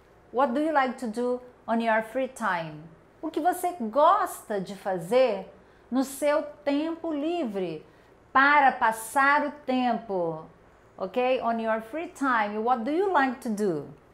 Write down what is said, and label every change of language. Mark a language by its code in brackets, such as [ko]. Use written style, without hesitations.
[en] What do you like to do on your free time? [pt] O que você gosta de fazer no seu tempo livre para passar o tempo? [en] Ok? On your free time, what do you like to do?